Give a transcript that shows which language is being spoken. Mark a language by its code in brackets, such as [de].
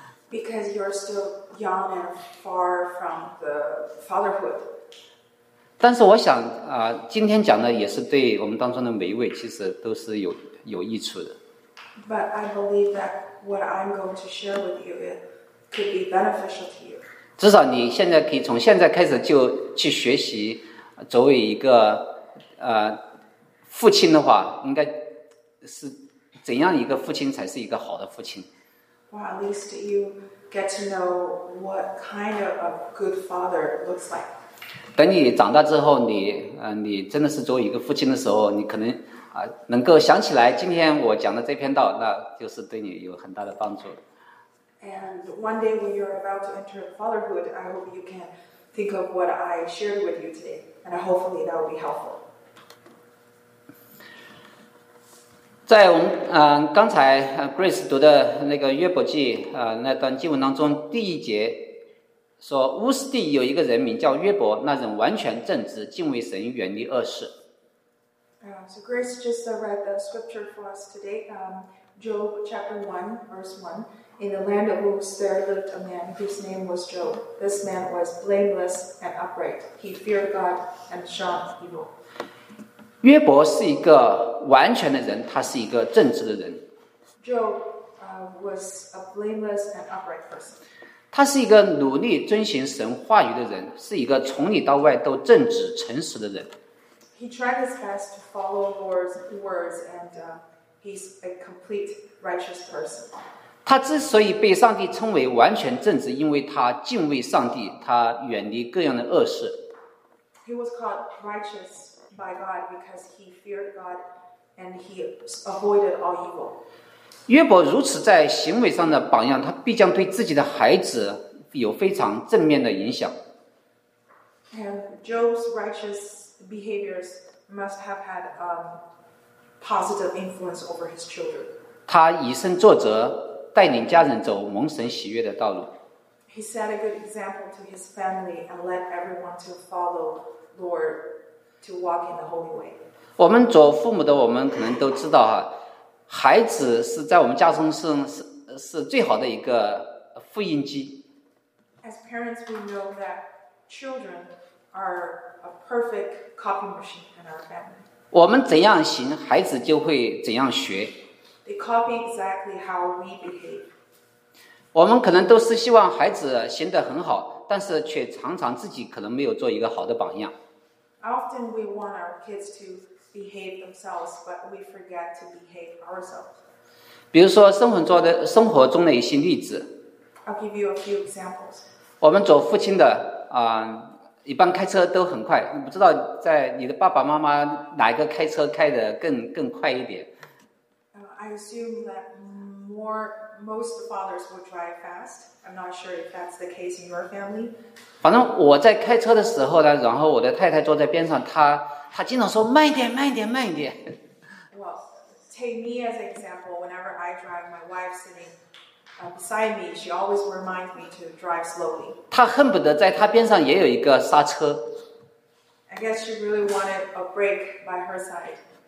[en] Because you're still young and far from the fatherhood. [zh] 但是我想今天讲的也是对我们当中的每一位其实都是有益处的。 [en] But I believe that what I'm going to share with you could be beneficial to you. [zh] 至少你现在可以从现在开始就去学习，作为一个父亲的话，应该是怎样一个父亲才是一个好的父亲。 [en] Well, at least you get to know what kind of a good father looks like. [zh] 等你长大之后，你真的是作为一个父亲的时候，你可能能够想起来今天我讲的这篇道，那就是对你有很大的帮助。 [en] And one day when you're about to enter fatherhood, I hope you can think of what I shared with you today, and hopefully that will be helpful. [zh] 在我们刚才 Grace 读的那个约伯记那段经文当中，第一节说乌斯地有一个人名叫约伯，那人完全正直，敬畏神，远离恶事。 [en] So Grace just read the scripture for us today, Job chapter 1, verse 1. In the land of Uz, there lived a man whose name was Job. This man was blameless and upright. He feared God and shunned evil. [zh] 约伯是一个完全的人，他是一个正直的人。 [en] Job was a blameless and upright person. [zh] 他是一个努力遵循神话语的人，是一个从里到外都正直诚实的人。 [en] He tried his best to follow Lord's words, and he's a complete righteous person. [zh] 他之所以被上帝称为完全正直，因为他敬畏上帝，他远离各样的恶事。 [en] He was called righteous by God because he feared God and he avoided all evil. [zh] 约伯如此在行为上的榜样，他必将对自己的孩子有非常正面的影响。 [en] And Job's righteous behaviors must have had a positive influence over his children. [zh] 他以身作则，带领家人走蒙神喜悦的道路。 [en] He set a good example to his family and led everyone to follow Lord to walk in the holy way. [zh] 我们做父母的，我们可能都知道哈，孩子是在我们家中是最好的一个复印机。 [en] As parents, we know that children are a perfect copy machine in our family. [zh] 我们怎样行，孩子就会怎样学。 [en] They copy exactly how we behave. [zh] 我们可能都是希望孩子行得很好，但是却常常自己可能没有做一个好的榜样。 [en] Often we want our kids to behave themselves, but we forget to behave ourselves. [zh] 比如说生活中的一些例子。 [en] I'll give you a few examples. [zh] 我们做父亲的一般开车都很快，不知道在你的爸爸妈妈哪一个开车开得 更快一点。 [en] I assume that more, most fathers will drive fast. I'm not sure if that's the case in your family. [zh] 反正我在开车的时候呢，然后我的太太坐在边上，她经常说慢一点，慢一点，慢一点。 [en] Well, take me as an example. Whenever I drive, my wife sitting beside me, she always reminds me to drive slowly. [zh] 她恨不得在她边上也有一个刹车。 [en] I guess she really wanted a brake by her side.